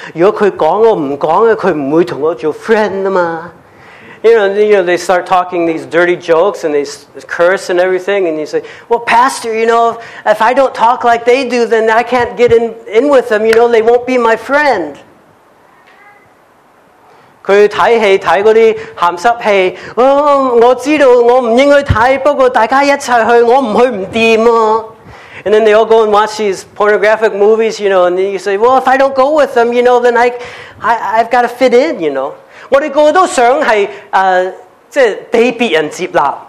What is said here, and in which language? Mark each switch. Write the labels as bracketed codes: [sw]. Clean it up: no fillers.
[yue] 如果佢讲我唔讲啊，佢唔会同我做 friend 啊嘛。 [en] You know, they start talking these dirty jokes and they curse and everything, and you say, "Well, pastor, you know, if I don't talk like they do, then I can't get in with them. You know, they won't be my friend." [yue] 佢睇戲睇嗰啲鹹濕戲，我知道我唔應該睇，不過大家一齊去，我唔去唔掂啊。 [en] And then they all go and watch these pornographic movies, you know. And then you say, well, if I don't go with them, you know, then I've got to fit in, you know. [yue] 我哋個個都想係即係被別人接納。